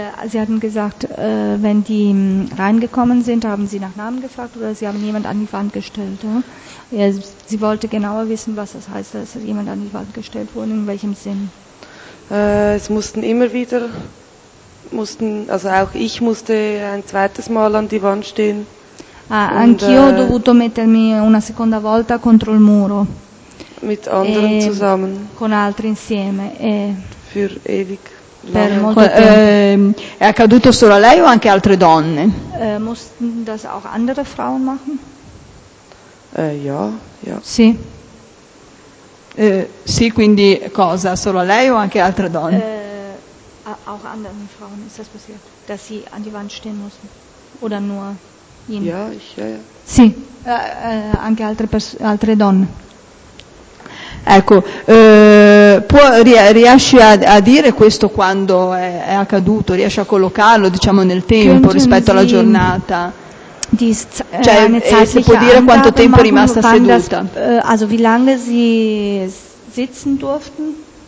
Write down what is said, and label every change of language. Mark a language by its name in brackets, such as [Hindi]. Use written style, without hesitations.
[German] Sie hatten gesagt, wenn die reingekommen sind, haben sie nach Namen gefragt oder sie haben jemand an die Wand gestellt. Ja? Ja, sie wollte genauer wissen, was das heißt, dass jemand an die Wand gestellt wurde, in welchem Sinn. Es mussten immer wieder, also auch ich musste ein zweites Mal an die Wand stehen. [Italian] Ah, anch'io ho dovuto mettermi una seconda volta contro il muro. [German] Mit anderen zusammen. [Italian] Con altri insieme. [German] Für ewig. [Italian] Per molto tempo. È accaduto solo a lei o anche altre donne? [German] Mussten das auch andere Frauen machen? Ja. [Italian] Sì. Sì, quindi cosa? Solo a lei o anche altre donne? [German] Auch anderen Frauen ist das passiert, dass sie an die Wand stehen mussten. Oder nur ihnen? Ja. [Italian] Sì, anche altre, altre donne. Ecco, riesci a dire questo quando è accaduto? Riesci a collocarlo, diciamo, nel tempo Könnten rispetto alla giornata? Cioè, si può dire quanto tempo è rimasta seduta? [German] Das, also, wie lange sie sitzen durften?